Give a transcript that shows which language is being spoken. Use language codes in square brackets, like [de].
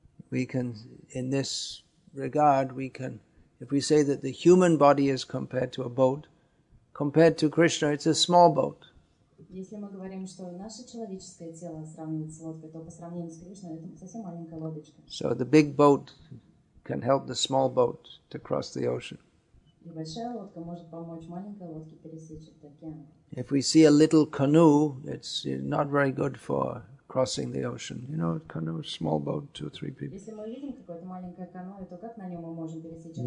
[en] We can, in this regard, we can, if we say that the human body is compared to a boat, compared to Krishna, it's a small boat. [ru] Если мы говорим, что наше человеческое тело сравнивается с лодкой, то по сравнению с Кришной это совсем маленькая лодочка. [en] So the big boat can help the small boat to cross the ocean. [ru] И большая лодка может помочь маленькой лодке пересечь этот океан. [en] If we see a little canoe, it's not very good for crossing the ocean. You know, a canoe, small boat, 2-3 people. [ru] Если мы видим какое-то маленькое каноэ, то как на нем мы можем пересечь этот океан?